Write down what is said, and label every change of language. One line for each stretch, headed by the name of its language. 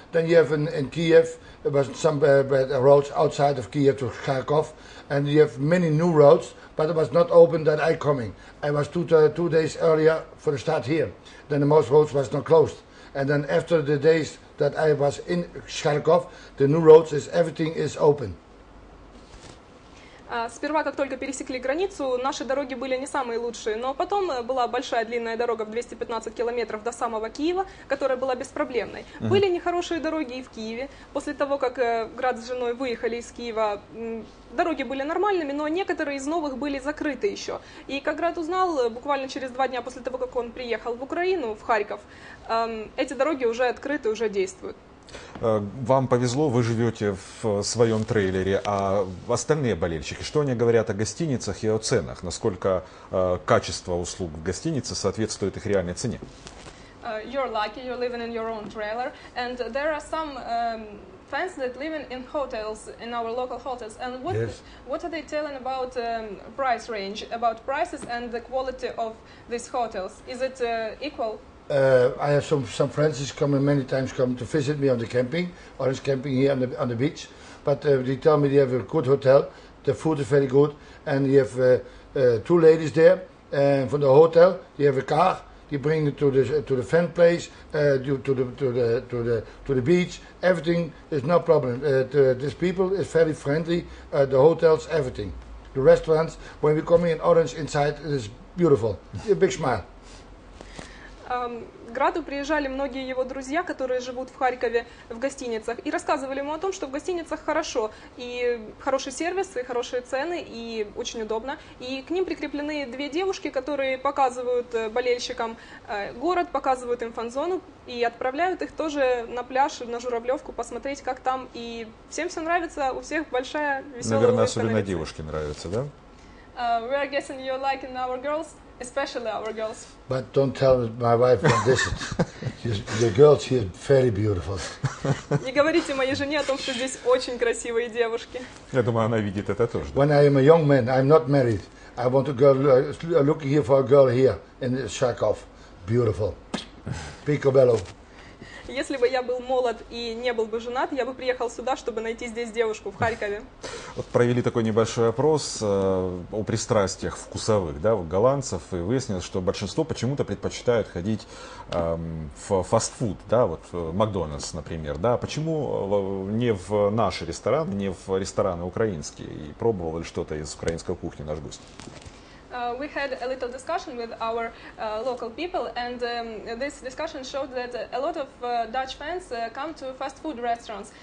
English: Then you have in Kiev, there was some bad roads outside of Kiev to Kharkov. And you have many new roads. But it was not open that I coming. I was two days earlier for the start here. Then the most roads was not closed. And then after the days that I was in Charkov, the new roads is everything is open.
Russian: Сперва, как только пересекли границу, наши дороги были не самые лучшие, но потом была большая длинная дорога в 215 километров до самого Киева, которая была беспроблемной. Mm-hmm. Были нехорошие дороги и в Киеве. После того, как Град с женой выехали из Киева, дороги были нормальными, но некоторые из новых были закрыты еще. И как Град узнал, буквально через два дня после того, как он приехал в Украину, в Харьков, эти дороги уже открыты, уже действуют. Вам повезло, вы живете в своем трейлере, а остальные болельщики, что они говорят о гостиницах и о ценах? Насколько качество услуг в гостинице соответствует их реальной цене?
English: You're lucky, you're living in your own trailer, and there are some fans that live in hotels, in our local hotels, and what are they telling about price range, about prices and the quality of these hotels? Is it equal? I have some friends is coming many times coming to visit me on the camping, or is camping here on the beach, but they tell me they have a good hotel, the food is very good, and you have two ladies there, and from the hotel they have a car, they bring it to the fan place, to the beach, everything is no problem. These people is very friendly, the hotels, everything, the restaurants. When we come in Orange inside, it is beautiful, a big smile.
Russian: К Граду приезжали многие его друзья, которые живут в Харькове в гостиницах, и рассказывали ему о том, что в гостиницах хорошо, и хороший сервис, и хорошие цены, и очень удобно. И к ним прикреплены две девушки, которые показывают болельщикам город, показывают им фан-зону, и отправляют их тоже на пляж, на Журавлевку, посмотреть, как там. И всем все нравится, у всех большая веселая. Наверное, особенно девушки нравятся, да?
English: We are guessing you're liking our girls. Especially our girls. But don't tell my wife that this is. The girls here are very beautiful.
Russian: Не говорите моей жене о том, что здесь очень красивые девушки. Я думаю, она видит это тоже.
English: When I am a young man, I'm not married. I want a girl looking here for a girl here in Sharkov. Beautiful. Picobello.
Russian: Если бы я был молод и не был бы женат, я бы приехал сюда, чтобы найти здесь девушку, в Харькове. Вот провели такой небольшой опрос о пристрастиях вкусовых, да, у голландцев, и выяснилось, что большинство почему-то предпочитают ходить в фастфуд, да, вот в Макдональдс, например. Да. Почему не в наши рестораны, не в рестораны украинские? И пробовал ли что-то из украинской кухни наш гость?
English: We had a little discussion with our local people, and this discussion showed that a lot of Dutch fans come to fast food restaurants.